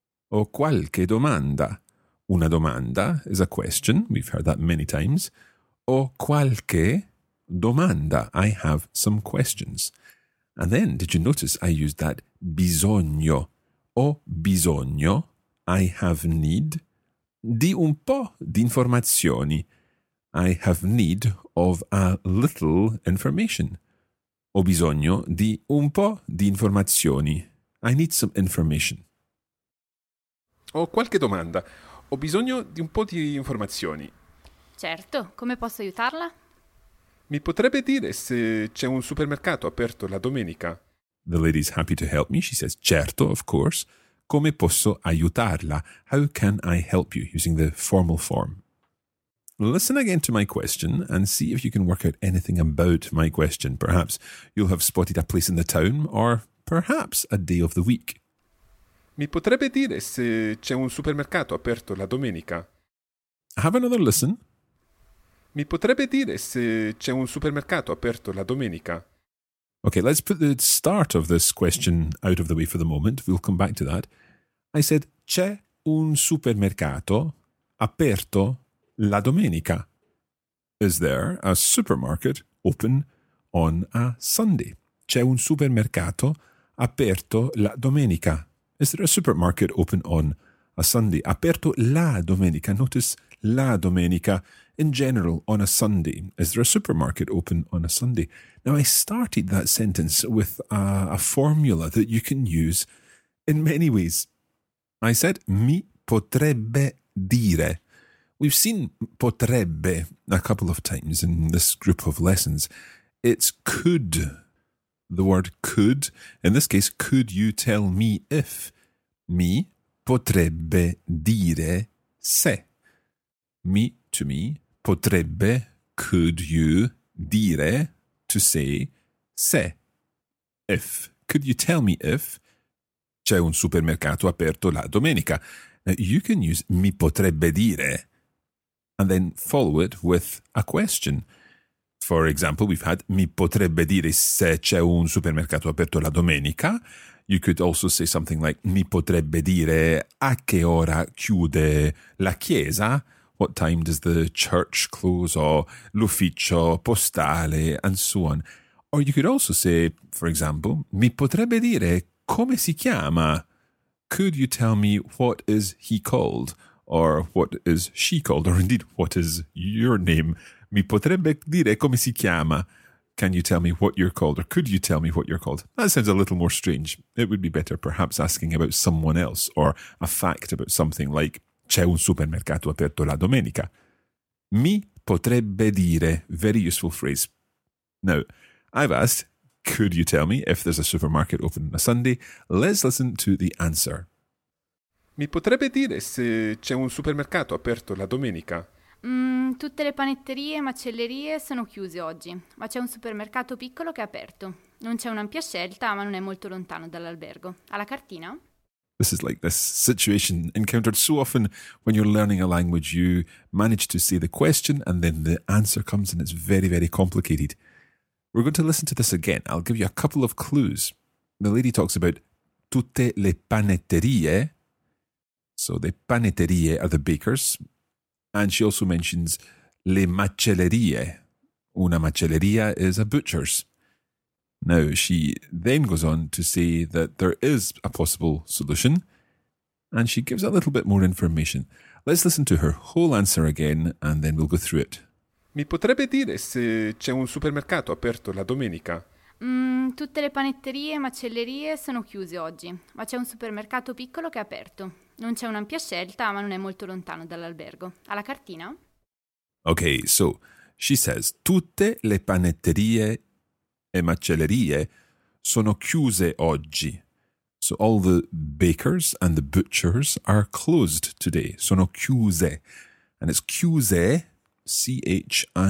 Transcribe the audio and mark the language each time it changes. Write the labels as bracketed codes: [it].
[it] Ho qualche domanda. Una domanda [en] is a question. We've heard that many times. [it] Ho qualche domanda. [en] I have some questions. And then, did you notice I used that bisogno? [it] Ho bisogno. [en] I have need. [it] Di un po' di informazioni. [en] I have need of a little information. [it] Ho bisogno di un po' di informazioni. [en] I need some information. [it] Ho qualche domanda. Ho bisogno di un po' di informazioni. Certo, come posso aiutarla? Mi potrebbe dire se c'è un supermercato aperto la domenica? [en] The lady's happy to help me. She says, certo, of course. [it] Come posso aiutarla? [en] How can I help you? Using the formal form. Listen again to my question and see if you can work out anything about my question. Perhaps you'll have spotted a place in the town or perhaps a day of the week. [it] Mi potrebbe dire se c'è un supermercato aperto la domenica? [en] Have another listen. [it] Mi potrebbe dire se c'è un supermercato aperto la domenica? [en] Okay, let's put the start of this question out of the way for the moment. We'll come back to that. I said, [it] c'è un supermercato aperto la domenica. [en] Is there a supermarket open on a Sunday? [it] C'è un supermercato aperto la domenica. [en] Is there a supermarket open on a Sunday? [it] Aperto la domenica. [en] Notice la domenica. In general, on a Sunday. Is there a supermarket open on a Sunday? Now, I started that sentence with a formula that you can use in many ways. I said, [it] mi potrebbe dire. [en] We've seen potrebbe a couple of times in this group of lessons. It's could. The word could, in this case, could you tell me if? [it] Mi potrebbe dire se. Mi, to me. [en] Potrebbe, could you, dire, to say, se, if. Could you tell me if [it] c'è un supermercato aperto la domenica? [en] Now, you can use mi potrebbe dire and then follow it with a question. For example, we've had [it] mi potrebbe dire se c'è un supermercato aperto la domenica. [en] You could also say something like [it] mi potrebbe dire a che ora chiude la chiesa. [en] What time does the church close, or l'ufficio postale, and so on. Or you could also say, for example, [it] mi potrebbe dire come si chiama? [en] Could you tell me what is he called, or what is she called, or indeed, what is your name? [it] Mi potrebbe dire come si chiama? [en] Can you tell me what you're called, or could you tell me what you're called? That sounds a little more strange. It would be better perhaps asking about someone else, or a fact about something like, [it] c'è un supermercato aperto la domenica. Mi potrebbe dire. [en] Very useful phrase. Now, I've asked, could you tell me if there's a supermarket open on a Sunday? Let's listen to the answer. [it] Mi potrebbe dire se c'è un supermercato aperto la domenica? Tutte le panetterie e macellerie sono chiuse oggi, ma c'è un supermercato piccolo che è aperto. Non c'è un'ampia scelta, ma non è molto lontano dall'albergo. Alla cartina? [en] This is like this situation encountered so often when you're learning a language. You manage to say the question and then the answer comes and it's very, very complicated. We're going to listen to this again. I'll give you a couple of clues. The lady talks about tutte le panetterie. So the panetterie are the bakers. And she also mentions le macellerie. Una macelleria is a butcher's. Now, she then goes on to say that there is a possible solution, and she gives a little bit more information. Let's listen to her whole answer again, and then we'll go through it. [it] Mi potrebbe dire se c'è un supermercato aperto la domenica? Tutte le panetterie e macellerie sono chiuse oggi, ma c'è un supermercato piccolo che è aperto. Non c'è un'ampia scelta, ma non è molto lontano dall'albergo. Alla cartina? [en] Okay, so, she says, [it] tutte le panetterie e macellerie sono chiuse oggi, [en] So all the bakers and the butchers are closed today. [it] Sono chiuse. [en] And it's chiuse, C-H-I-U-S-E.